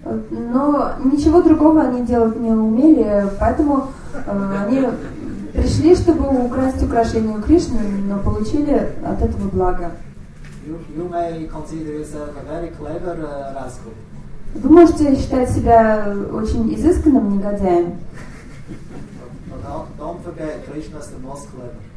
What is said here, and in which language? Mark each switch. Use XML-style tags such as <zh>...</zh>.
<ru>Но ничего другого они делать не умели, поэтому они пришли, чтобы украсть украшение у Кришны, но получили от этого благо.</ru> <en>You may consider yourself a very clever rascal.</en> <ru>Вы можете считать себя очень изысканным негодяем.</ru> <en>Don't forget, Krishna's the most clever.</en>